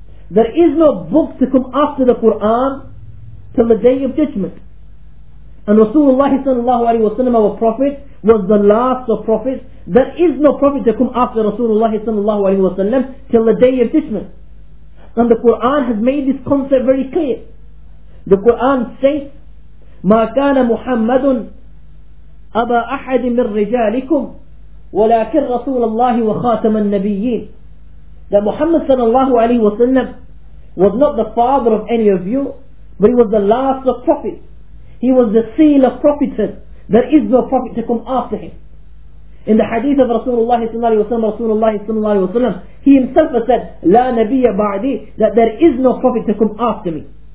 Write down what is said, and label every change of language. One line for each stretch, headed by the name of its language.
English: There is no book to come after the Quran till the day of judgment. And Rasulullah sallallahu alayhi wa sallam, our prophet, was the last of prophets. There is no prophet to come after Rasulullah sallallahu alayhi wa sallam till the day of judgment. And the Quran has made this concept very clear. The Quran says,
Arabic: مَا كَانَ مُحَمَّدٌ أَبَا أَحَدٍ مِنْ رِجَالِكُمْ وَلَكِنْ رَسُولَ اللَّهِ وَخَاتَمَ النَّبِيِّينَ.
English: That Muhammad sallallahu alayhi wa sallam was not the father of any of you, but he was the last of prophets. He was the seal of prophets. There is no prophet to come after him. In the hadith of Rasulullah sallallahu alayhi wa sallam, Rasulullah sallallahu alayhi wa sallam, he himself has said,
Arabic: لا نبي بعدي,
English: that there is no prophet to come after me.